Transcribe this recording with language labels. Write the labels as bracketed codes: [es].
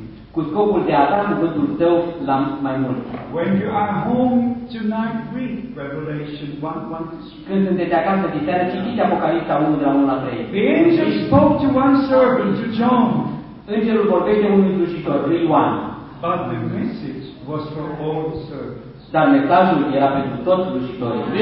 [ro] Cu scopul de a da cuvântul Său la mai mult. [en] When you are home tonight, read Revelation 1:1-3. [ro] Când sunteți acasă diseară, citiți Apocalipsa 1 de la 1 la 3. [en] The angel spoke to one servant, to John. [ro] Îngerul vorbește unui slujitor, lui Ioan. [en] But the message was for all servants. [ro] Dar mesajul era pentru toți slujitorii.